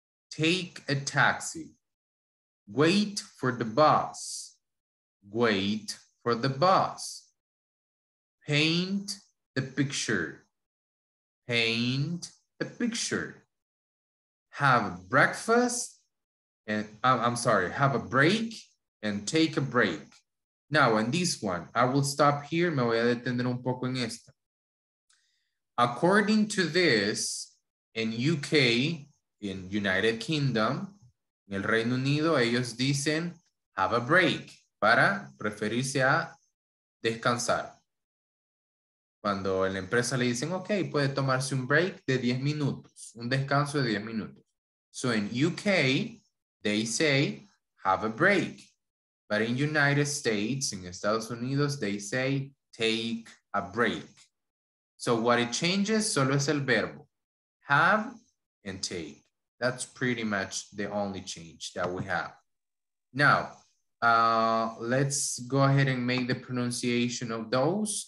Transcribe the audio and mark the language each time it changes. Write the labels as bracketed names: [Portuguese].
[English] take a taxi, wait for the bus, wait for the bus, paint the picture, paint the picture, have breakfast, and I'm sorry, have a break and take a break. Now, in this one, I will stop here. [Spanish] Me voy a detener un poco en esta. [English] According to this, in UK, in United Kingdom, [Spanish] en el Reino Unido, ellos dicen, [English] have a break, [Spanish] para referirse a descansar. Cuando la empresa le dicen, ok, puede tomarse un break de 10 minutos, un descanso de 10 minutos. [English] So in UK, they say, have a break. But in United States, in Estados Unidos, they say, take a break. So what it changes, [Spanish] solo es el verbo. [English] Have and take. That's pretty much the only change that we have. Now, let's go ahead and make the pronunciation of those.